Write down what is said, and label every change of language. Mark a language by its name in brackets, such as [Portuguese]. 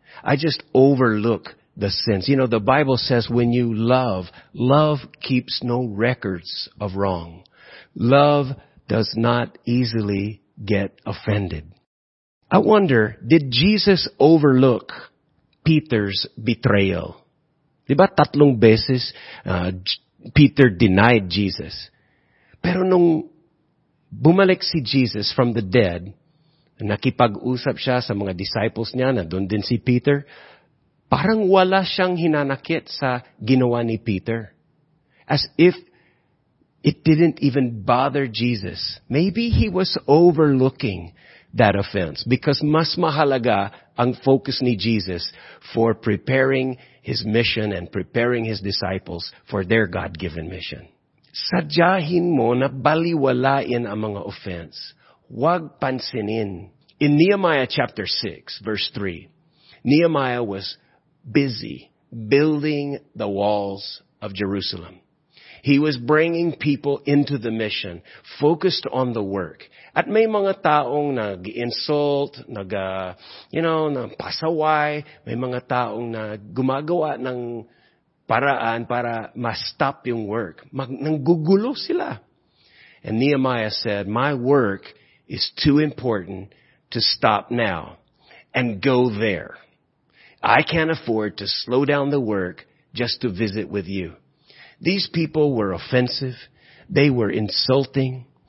[English] I just overlook the sins. You know, the Bible says when you love, love keeps no records of wrong. Love does not easily get offended. I wonder, did Jesus overlook Peter's betrayal? [Filipino] Diba tatlong beses Peter denied Jesus. Pero nung bumalik si Jesus [English] from the dead, [Filipino] nakipag-usap siya sa mga disciples niya, na doon din si Peter, parang wala siyang hinanakit sa ginawa ni Peter. [English] As if it didn't even bother Jesus. Maybe he was overlooking that offense because [Filipino] mas mahalaga ang focus ni Jesus [English] for preparing his mission and preparing his disciples for their God-given mission. [Filipino] Sadyahin mo na baliwalain ang mga offense. Huwag pansinin. [English] In Nehemiah chapter 6, verse 3, Nehemiah was busy building the walls of Jerusalem. He was bringing people into the mission, focused on the work. [Filipino] At may mga taong nag-insult, nagpasaway, may mga taong na gumagawa ng paraan para ma-stop yung work. Nanggugulo sila. [English] And Nehemiah said, my work is too important to stop now and go there. I can't afford to slow down the work just to visit with you. These people were offensive. They were insulting.